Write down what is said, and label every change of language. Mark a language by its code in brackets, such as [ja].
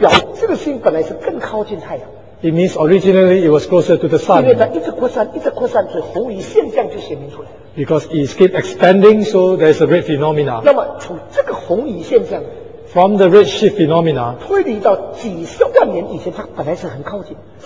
[zh] 表这个星本来是更靠近太阳。 [en] It means originally it was closer to the sun. [zh] 因为它一直扩散，所以红移现象就显明出来。 [en] Because it keeps expanding, so there's a red phenomena. [zh] 那么从这个红移现象， [en] from the red shift phenomena, [zh] 推理到几十万年以前，它本来是很靠近。